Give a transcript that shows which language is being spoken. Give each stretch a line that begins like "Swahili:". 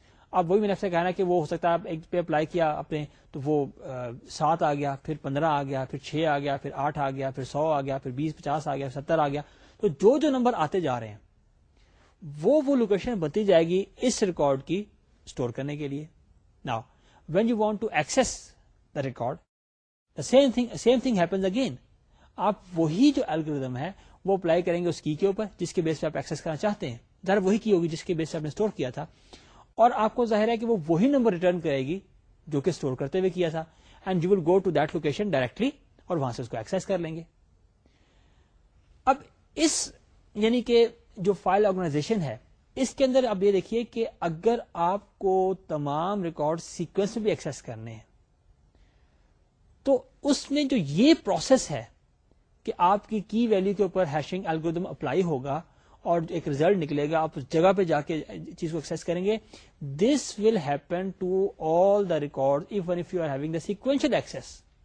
Urdu: اب وہی میں نے آپ سے کہنا کہ وہ ہو سکتا ہے آپ ایک پہ اپلائی کیا اپنے تو وہ 7 آ گیا, پھر 15 آ گیا, پھر 6 آ گیا, پھر 8 آ گیا, پھر 100 آ گیا, پھر 20-50 آ گیا, 70 آ گیا. تو جو جو نمبر آتے جا رہے ہیں وہ لوکیشن بنتی جائے گی اس ریکارڈ کی اسٹور کرنے کے لیے.
English: Now when you want to access the record the same thing happens again.
Urdu: آپ وہی جو الگوریدم ہے وہ اپلائی کریں گے اس کی کے اوپر جس کے بیس پہ آپ ایکسس کرنا چاہتے ہیں, ظاہر وہی کی ہوگی جس کے بیس پہ آپ نے اسٹور کیا تھا, اور آپ کو ظاہر ہے کہ وہی نمبر ریٹرن کرے گی جو کہ اسٹور کرتے ہوئے کیا تھا.
English: and you will go to that location directly
Urdu: اور وہاں سے اس کو ایکسس کر لیں گے. اب اس یعنی کہ جو فائل آرگنائزیشن ہے اس کے اندر آپ یہ دیکھیے کہ اگر آپ کو تمام ریکارڈ سیکوینس میں بھی ایکسس کرنے ہیں تو اس میں جو یہ پروسیس ہے کہ آپ کی ویلیو کے اوپر ہیشنگ الگوریدم اپلائی ہوگا اور ایک ریزلٹ نکلے گا, آپ اس جگہ پہ جا کے چیز کو ایکسس کریں گے.
English: This will happen to all the record even if you are having the sequential access.